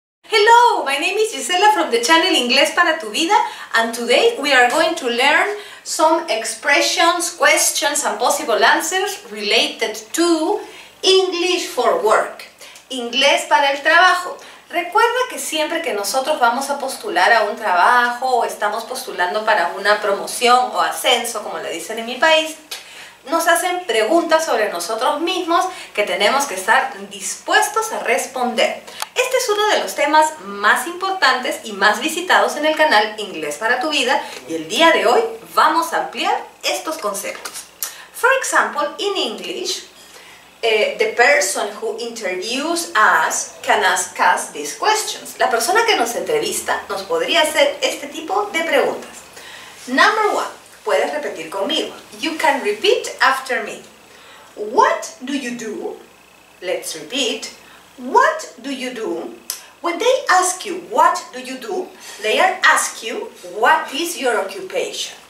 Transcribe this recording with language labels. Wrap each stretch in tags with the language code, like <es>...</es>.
<en>Hello, my name is Gisela from the channel Inglés para tu vida, and today we are going to learn some expressions, questions, and possible answers related to English for work.</en> <es>Inglés para el trabajo. Recuerda que siempre que nosotros vamos a postular a un trabajo o estamos postulando para una promoción o ascenso, como le dicen en mi país, nos hacen preguntas sobre nosotros mismos que tenemos que estar dispuestos a responder. Este es uno de los temas más importantes y más visitados en el canal Inglés para tu vida y el día de hoy vamos a ampliar estos conceptos.</es> <en>For example, in English, the person who interviews us can ask us these questions.</en> <es>La persona que nos entrevista nos podría hacer este tipo de preguntas.</es> <en>Number one.</en> <es>Puedes repetir conmigo.</es> <en>You can repeat after me. What do you do? Let's repeat. What do you do? When they ask you, what do? They ask you, what is your occupation?</en>